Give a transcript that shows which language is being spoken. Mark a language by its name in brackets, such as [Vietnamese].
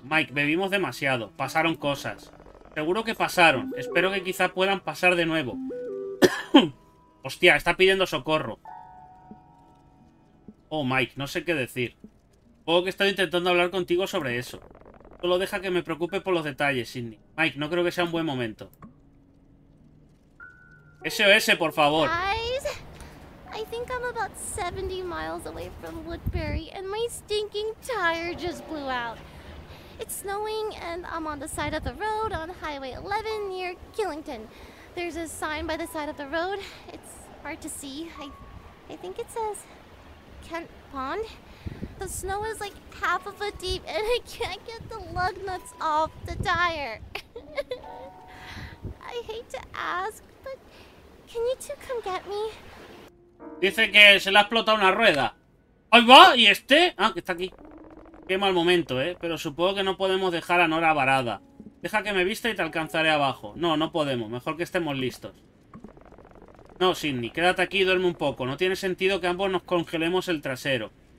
[Spanish] Mike, bebimos demasiado, pasaron cosas. Seguro que pasaron, espero que quizá puedan pasar de nuevo. Hostia, está pidiendo socorro. Oh, Mike, no sé qué decir. Supongo que estoy intentando hablar contigo sobre eso. Solo deja que me preocupe por los detalles, Sidney. Mike, no creo que sea un buen momento. SOS, por favor. [English] I think I'm about 70 miles away from Woodbury and my stinking tire just blew out. It's snowing and I'm on the side of the road on Highway 11 near Killington. There's a sign by the side of the road. It's hard to see. I think it says Kent Pond. The snow is like half a foot deep and I can't get the lug nuts off the tire. I hate to ask, but can you two come get me? [Spanish] Dice que se le ha explotado una rueda. ¡Ahí va! ¿Y este? Ah, que está aquí. Qué mal momento, ¿eh? Pero supongo que no podemos dejar a Nora varada. Deja que me vista y te alcanzaré abajo. No, no podemos. Mejor que estemos listos. No, Sidney. Quédate aquí y duerme un poco. No tiene sentido que ambos nos congelemos el trasero.